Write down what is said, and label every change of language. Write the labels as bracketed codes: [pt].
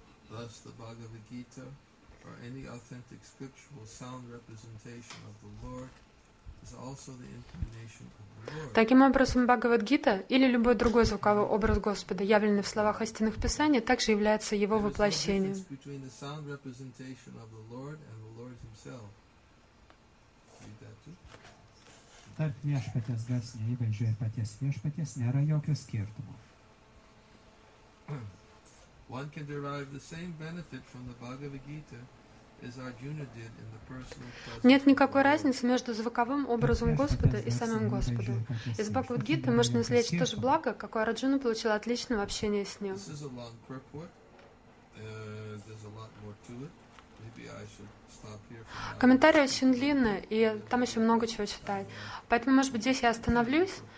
[en] Thus the Bhagavad Gita, or any authentic scriptural sound representation of the Lord, is also the incarnation of the Lord. [ru] Таким образом, Бхагавад-гита или любой другой звуковой образ Господа, явленный в словах истинных писаний, также является Его воплощением. [en] There is no difference between the sound representation of the Lord and the Lord Himself. Read that too. [lt] Tarp viešpaties garsinio įvaizdžio ir paties viešpaties nėra jokio skirtumo. [en] One can derive the same benefit from the Bhagavad Gita as Arjuna did in the personal presence. [ru] Нет никакой разницы между звуковым образом Господа и самим Господом. Из Бхагавад Гиты можно извлечь то же благо, какое Арджуна получил от личного общения с Ним. [en] This is a long purport. There's a lot more to it. Maybe I should stop here. [ru] Комментарий очень длинный, и там еще много чего читать. Поэтому, может быть, здесь я остановлюсь.